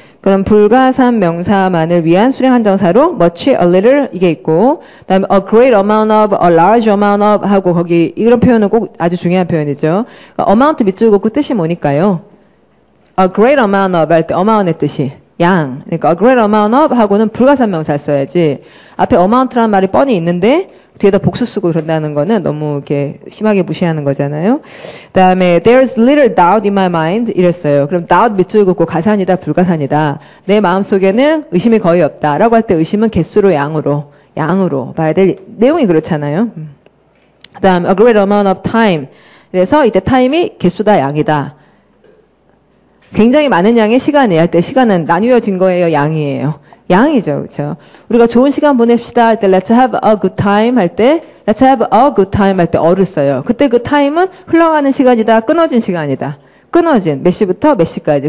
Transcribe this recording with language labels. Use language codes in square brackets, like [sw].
[ko] 그럼 불가산 명사만을 위한 수량 한정사로 much, a little 이게 있고, 그 다음에 a great amount of, a large amount of 하고 거기 이런 표현은 꼭 아주 중요한 표현이죠. amount 밑줄 긋고 그 뜻이 뭐니까요? a great amount of 할 때 amount의 뜻이 양. 그러니까 a great amount of 하고는 불가산 명사 써야지. 앞에 amount라는 말이 뻔히 있는데 뒤에다 복수 쓰고 그런다는 거는 너무 이렇게 심하게 무시하는 거잖아요. 그다음에 [en] there's little doubt in my mind [ko] 이랬어요. 그럼 doubt 밑줄 긋고 가산이다, 불가산이다. 내 마음 속에는 의심이 거의 없다라고 할 때 의심은 개수로 양으로 봐야 될 내용이 그렇잖아요. [en] 그다음 a great amount of time. [ko] 그래서 이때 time이 개수다, 양이다. 굉장히 많은 양의 시간이에요. 할 때 시간은 나뉘어진 거예요, 양이에요. 양이죠, 그렇죠? 우리가 좋은 시간 보냅시다 할 때 [en] let's have a good time [ko] 할 때 [en] let's have a good time [ko] 할 때 어를 써요. 그때 그 time은 흘러가는 시간이다, 끊어진 시간이다. 끊어진 몇 시부터 몇 시까지.